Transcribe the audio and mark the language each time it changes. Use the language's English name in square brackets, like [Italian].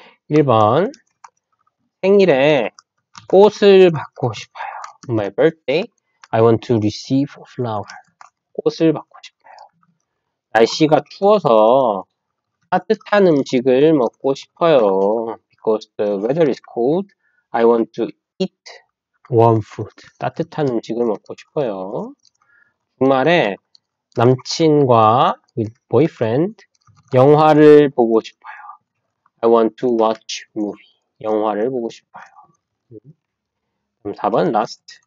[Korean] 1번 생일에 꽃을 받고 싶어요. [English] My birthday, I want to receive a flower. [Korean] 꽃을 받고 싶어요. 날씨가 추워서 따뜻한 음식을 먹고 싶어요. [English] Because the weather is cold, I want to eat warm food. [Korean] 따뜻한 음식을 먹고 싶어요. 주말에 남친과 [English] with boyfriend [Korean] 영화를 보고 싶어요. [English] I want to watch movie. [Korean] 영화를 보고 싶어요. 그럼 4번 [English] last.